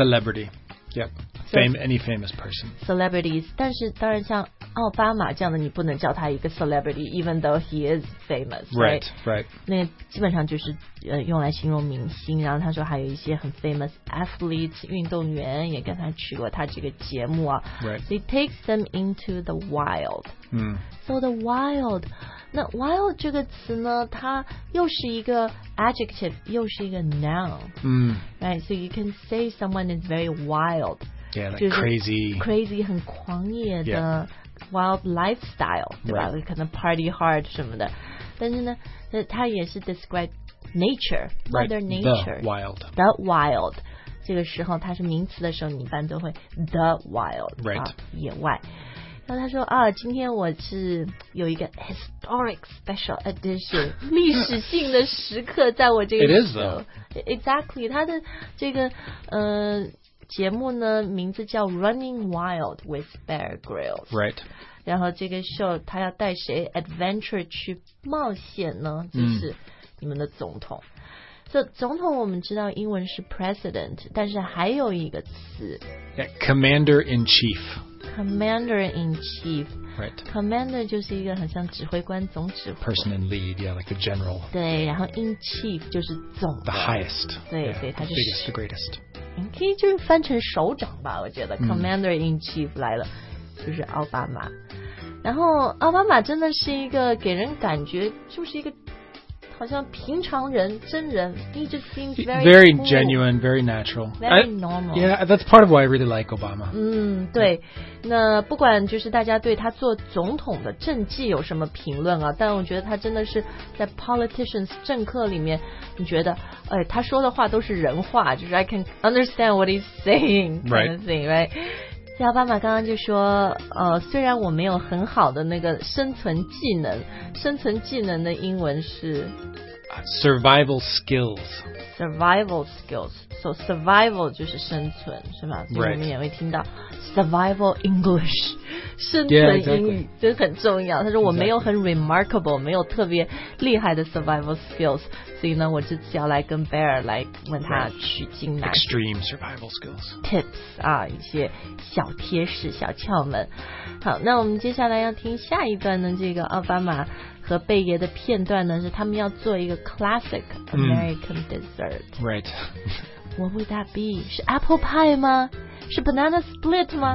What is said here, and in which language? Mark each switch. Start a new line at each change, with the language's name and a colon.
English: celebrity yep fame any famous person
Chinese: celebrities 但是当然像奥巴马这样的你不能叫他一个 celebrity
English: even though he is famous right right, right.
Chinese: 那基本上就是用来形容明星然后他说还有一些很 famous athletes 运动员也跟他去过他这个节目啊
English: right so he takes them into the wild、 mm.
Chinese: so the wild 那 wild 这个词呢它又是一个 adjective 又是一个 noun、 mm.
English: right so you can say someone is very wild yeah like crazy
Chinese: 很狂野的、yeah.
English: Wild lifestyle, 对吧？ Right.
Chinese: 可能 party hard 什么的，但是呢，它也是
English: describe nature, mother nature, the wild, the wild.
Chinese: 这个时候它是名词的时候，你一般都会 the wild,
English: right,、
Chinese: 啊、野外。然后他说啊，今天我是有一个 historic special edition, 历史性的时刻，在我这个
English: it is though
Chinese: exactly 它的这个节目呢名字叫 Running Wild with Bear Grylls
English: Right
Chinese: 然后这个 show 他要带谁 Adventure 去冒险呢就是你们的总统、嗯、So 总统我们知道英文是 President 但是还有一个词
English: yeah, Commander-in-Chief Commander-in-Chief Right
Chinese: Commander 就是一个很像指挥官总指挥
English: Person in lead Yeah like a general
Chinese: 对然后 in-chief 就是总
English: The highest
Chinese: 对
English: yeah,
Chinese: 所以他就是
English: The biggest the greatest
Chinese: 可以就是翻成首长吧我觉得 Commander in Chief 来了就是奥巴马然后奥巴马真的是一个给人感觉就是一个好像平常人,真人,
English: he just seems very, very cool, genuine, very natural. Very normal. Yeah, that's part of why I really like Obama.
Chinese: 对。那不管就是大家对他做总统的政绩有什么评论啊，但我觉得他真的是在 politicians 政客里面，你觉得哎，他说的话都是人话，就是
English: I can understand what he's saying kind of thing,
Chinese: right? 奥巴马刚刚就说虽然我没有很好的那个生存技能，生存技能的英文是
English: Survival skills. Survival skills.
Chinese: So survival 就是生存是吧，所以我们也会听到 Survival English. 生存英语真很重要。他说我没有很 remarkable, 没有特别厉害的 survival skills. 所以呢我这次要来跟 Bear 来问他取经来。
English: Extreme survival skills.
Chinese: Tips, 啊一些小贴士小窍门。好，那我们接下来要听下一段的这个奥巴马和贝爷的片段呢，是他们要做一个 classic American dessert.
English: Right. What would that be?
Chinese: 是 apple pie 吗？ 是 banana split 吗？